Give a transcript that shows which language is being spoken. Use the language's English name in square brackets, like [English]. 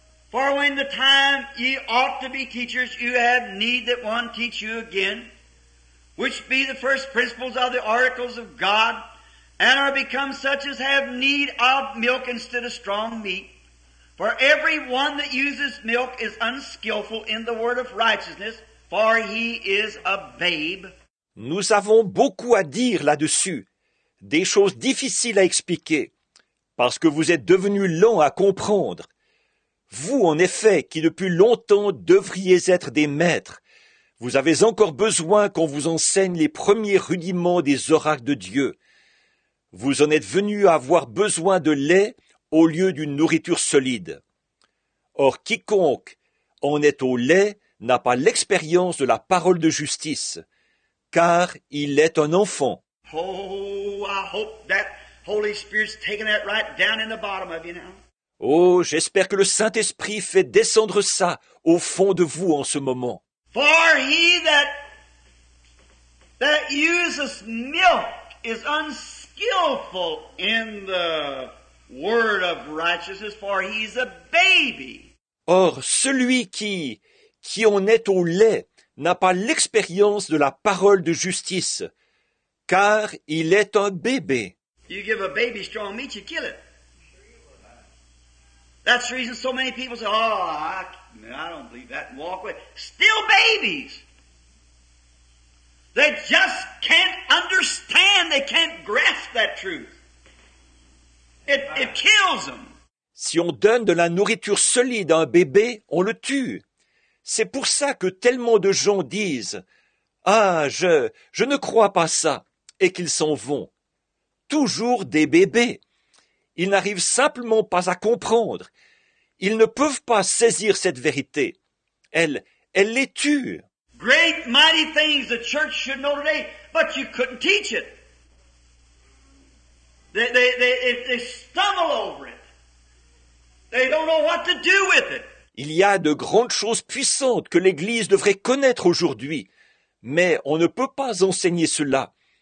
[English] For when the time ye ought to be teachers, you have need that one teach you again, which be the first principles of the oracles of God, and are become such as have need of milk instead of strong meat. For every one that uses milk is unskillful in the word of righteousness, for he is a babe. [French] Nous avons beaucoup à dire là-dessus, des choses difficiles à expliquer, parce que vous êtes devenus lents à comprendre. Vous, en effet, qui depuis longtemps devriez être des maîtres, vous avez encore besoin qu'on vous enseigne les premiers rudiments des oracles de Dieu. Vous en êtes venu à avoir besoin de lait au lieu d'une nourriture solide. Or, quiconque en est au lait n'a pas l'expérience de la parole de justice, car il est un enfant. Oh, j'espère que le Saint-Esprit fait descendre ça au fond de vous en ce moment. [English] For he that uses milk is skillful in the word of righteousness, for he's a baby. [French] Or, celui qui, qui en est au lait n'a pas l'expérience de la parole de justice, car il est un bébé. [English] You give a baby strong meat, you kill it. That's the reason so many people say, I don't believe that, and walk away. Still babies. They just can't understand, they can't grasp that truth. It kills them. [French] Si on donne de la nourriture solide à un bébé, on le tue. C'est pour ça que tellement de gens disent « Ah, je ne crois pas ça » et qu'ils s'en vont. Toujours des bébés. Ils n'arrivent simplement pas à comprendre. Ils ne peuvent pas saisir cette vérité. Elle les tue. [English] Great, mighty things the church should know today, but you couldn't teach it. They stumble over it. They don't know what to do with it. [French] Il y a de grandes choses puissantes que l'Église devrait connaître aujourd'hui, mais on ne peut pas enseigner cela.